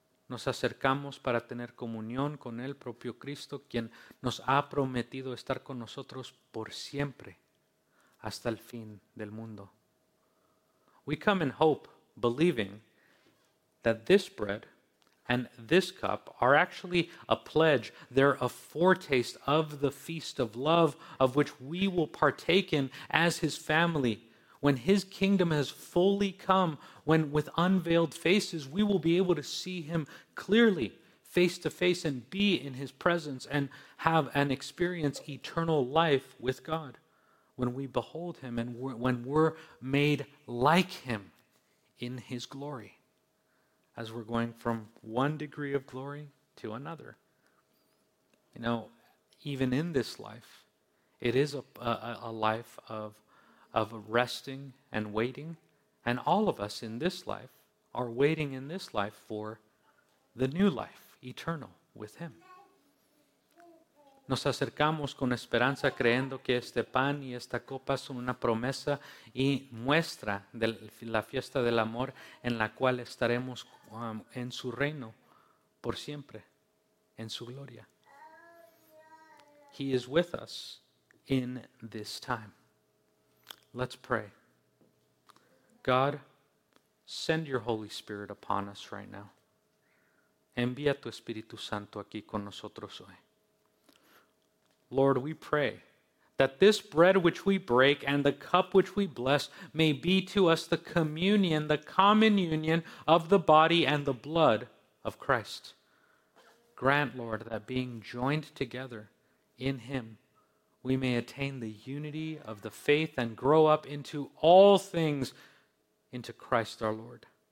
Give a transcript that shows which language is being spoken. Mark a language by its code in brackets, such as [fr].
[es] Nos acercamos para tener comunión con el propio Cristo, quien nos ha prometido estar con nosotros por siempre hasta el fin del mundo. [en] We come in hope, believing that this bread and this cup are actually a pledge. They're a foretaste of the feast of love of which we will partake in as his family. When his kingdom has fully come, when with unveiled faces, we will be able to see him clearly face to face and be in his presence and have and experience eternal life with God. When we behold him and when we're made like him in his glory, as we're going from one degree of glory to another. You know, even in this life, it is a life of resting and waiting. And all of us in this life are waiting in this life for the new life, eternal, with him. [es] Nos acercamos con esperanza creyendo que este pan y esta copa son una promesa y muestra de la fiesta del amor en la cual estaremos en su reino por siempre, en su gloria. [en] He is with us in this time. Let's pray. God, send your Holy Spirit upon us right now. [es] Envía tu Espíritu Santo aquí con nosotros hoy. [en] Lord, we pray that this bread which we break and the cup which we bless may be to us the communion, the common union of the body and the blood of Christ. Grant, Lord, that being joined together in him, we may attain the unity of the faith and grow up into all things into Christ our Lord.